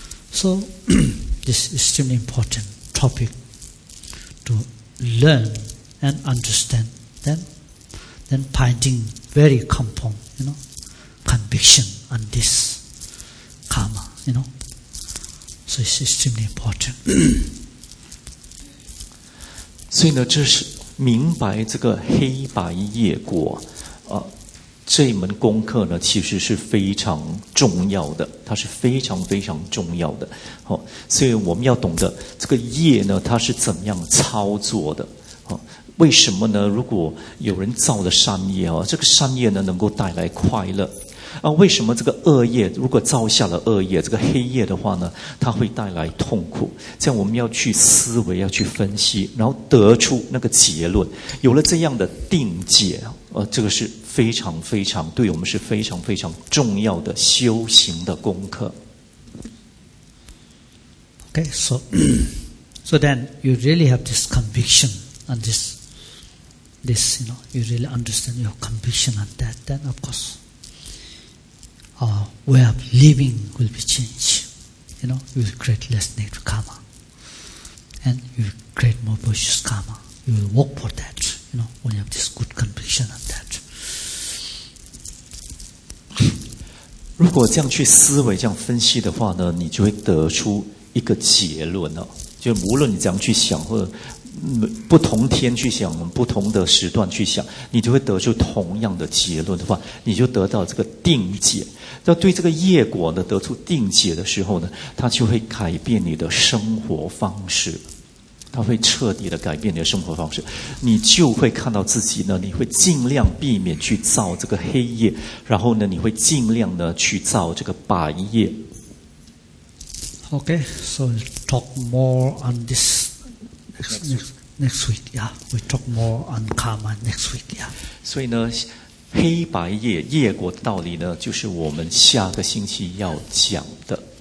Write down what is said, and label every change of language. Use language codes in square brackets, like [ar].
[en] So, this is extremely important topic to learn and understand. Then finding very compound, you know, conviction on this karma. You know, so it's extremely important. [zh] 所以呢，这是明白这个黑白业果，这门功课呢，其实是非常重要的，它是非常非常重要的。好，所以我们要懂得这个业呢，它是怎么样操作的。好，为什么呢？如果有人造了善业啊，这个善业呢，能够带来快乐。啊，为什么这个恶业如果造下了恶业，这个黑业的话呢，它会带来痛苦？这样我们要去思维，要去分析，然后得出那个结论。有了这样的定解，这个是非常非常对我们是非常非常重要的修行的功课。 [en] Okay, so then you really have this conviction on this, you know, you really understand your conviction on that. Then of course. Way of living will be changed. You know, you will create less negative karma. And you will create more virtuous karma. You will work for that. You know, when you have this good conviction on that. [zh] 如果这样去思维，这样分析的话呢，你就会得出一个结论了。就无论你怎样去想，或者不同天去想，不同的时段去想，你就会得出同样的结论的话，你就得到这个定解。要对这个业果呢得出定解的时候呢，它就会改变你的生活方式，它会彻底的改变你的生活方式，你就会看到自己呢，你会尽量避免去造这个黑业，然后呢，你会尽量呢去造这个白业。 [en] Okay, so we'll talk more on this next week. Yeah, we talk more on karma next week. Yeah. [zh] 所以呢。黑白业业果的道理呢，就是我们下个星期要讲的。